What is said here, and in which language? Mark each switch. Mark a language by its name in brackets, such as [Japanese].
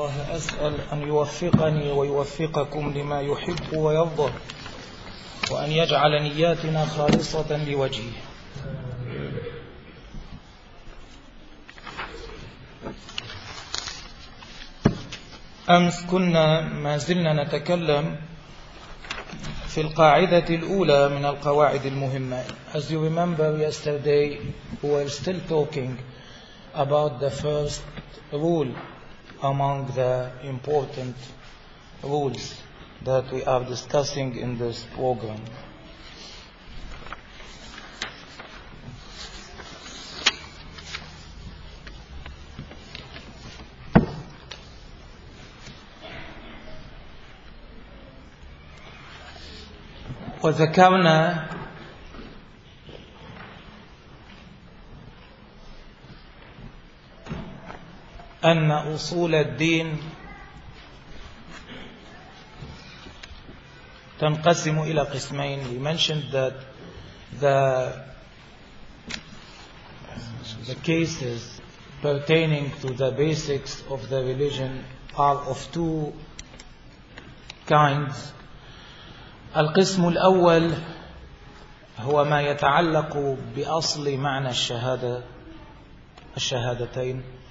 [Arabic] أسأل أن يوفقني ويوفقكم لما يحب ويرضى، وأن يجعل نياتنا خالصة لوجهه. أمس كنا ما زلنا نتكلم في القاعدة الأولى من القواعد المهمة. [English] As you remember yesterday, we are still talking about the first rule among the important rules that we are discussing in this program. [Arabic] وذكرنا أن أصول الدين تنقسم إلى قسمين. [English] We mentioned that the cases pertaining to the basics of the religion are of two kinds. [Arabic] القسم الأول هو ما يتعلق بأصل معنى الشهادة، الشهادتين.